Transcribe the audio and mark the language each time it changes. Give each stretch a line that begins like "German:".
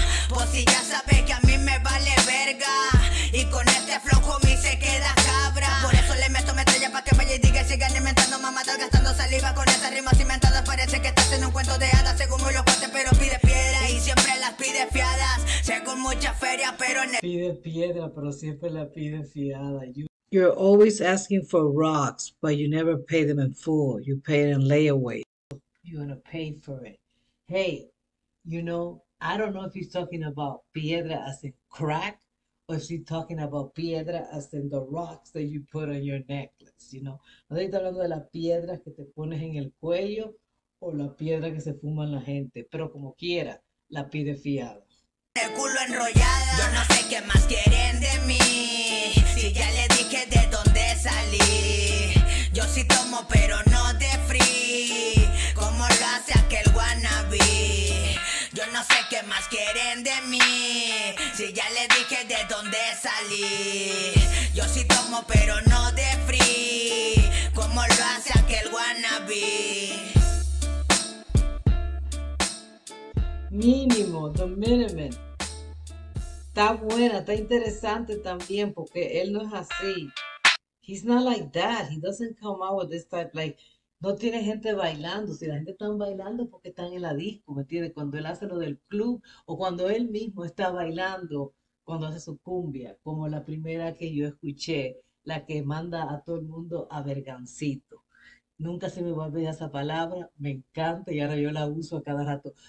Spanish: Pues si ya sabes que a mí me vale verga. Y con este flojo mi se queda cabra. Por eso le meto metralla pa' que vaya y diga y siga alimentando mamadas, gastando saliva con esas rimas inventadas. Parece que estás en un cuento de hadas, según muy locuente, pero pide piedra. Y siempre las pide fiadas, según mucha feria, pero en el... Pide piedra, pero siempre la pide fiada.
English: You're always asking for rocks, but you never pay them in full. You pay it in layaway. You're gonna pay for it. Hey, you know, I don't know if he's talking about piedra as in crack, or is he talking about piedra as in the rocks that you put on your necklace, you know?
Spanish: ¿No estoy hablando de la piedra que te pones en el cuello o la piedra que se fuma en la gente? Pero como quiera, la pide fiada. El culo enrollada. Yo no sé qué más quieren de mí. Si ya le dije de dónde salí. Yo sí tomo, pero no de free. Como lo hace aquel wannabe. Yo no sé qué más quieren de mí. Si ya le dije de dónde salí. Yo sí tomo, pero no de free. Como lo hace aquel wannabe.
English: Mínimo, the minimum.
Spanish: Está buena, está interesante también, porque él no es así.
English: He's not like that. He doesn't come out with this type, like,
Spanish: no tiene gente bailando. Si la gente está bailando, porque están en la disco, ¿me entiendes? Cuando él hace lo del club, o cuando él mismo está bailando, cuando hace su cumbia, como la primera que yo escuché, la que manda a todo el mundo a vergancito. Nunca se me va a olvidar esa palabra, me encanta, y ahora yo la uso a cada rato.